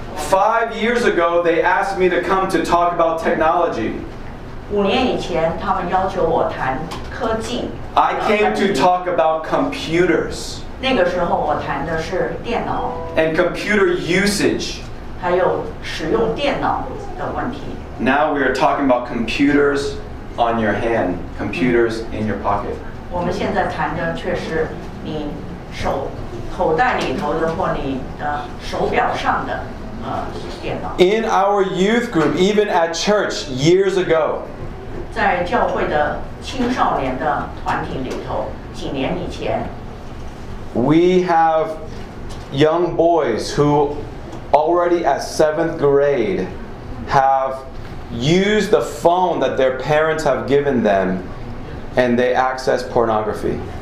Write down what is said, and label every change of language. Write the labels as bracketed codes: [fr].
[en] 5 years ago, they asked me to come to talk about technology. [zh] 5年以前他们要求我谈科技。 [en] I came to talk about computers. [zh] 那个时候我谈的是电脑。 [en] And computer usage. [zh] 还有使用电脑的问题。 [en] Now we are talking about computers on your hand, computers in your pocket. [zh] 我们现在谈的却是你手口袋里头的或你的手表上的。 [en] In our youth group, even at church years ago, [zh] 在教会的青少年的团体里头，几年以前， [en] we have young boys who already at seventh grade have used the phone that their parents have given them and they access pornography.